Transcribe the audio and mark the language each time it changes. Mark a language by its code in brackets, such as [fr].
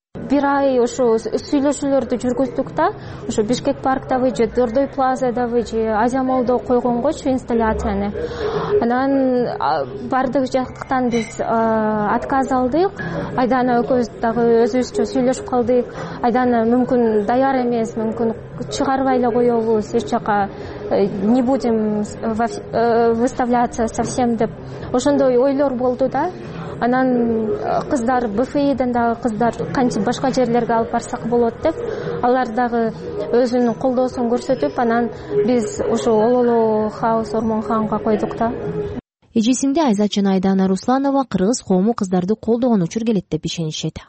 [ky] Бир ай ошо сүйлөшүүлөрдү жүргүздүк да, ошо Бишкек парктабы же Дордой плазадабы же Азия молдо койгонгочу инсталляцияны. Анан бардык жактан биз отказ алдык. Айдана экөөбүз дагы өзүбүзчө сүйлөшүп калдык. Айдана мүмкүн даяр эмес, мүмкүн чыгарбай эле коебуз эч жака. [ru] Не будем выставляться совсем деп. [ky] Ошондой ойлор болду да. Анан кыздар БФИ-ден дагы кыздар кантип башка жерлерге алып барсак болот деп, алар дагы өзүнүн колдоосун көрсөтүп, анан биз ошо Ололо Хаус Орманханга койдук да. Эжесиңде Айзат жана Айдана Русланова кыргыз коому кыздарды колдогон учур келет деп ишенишет.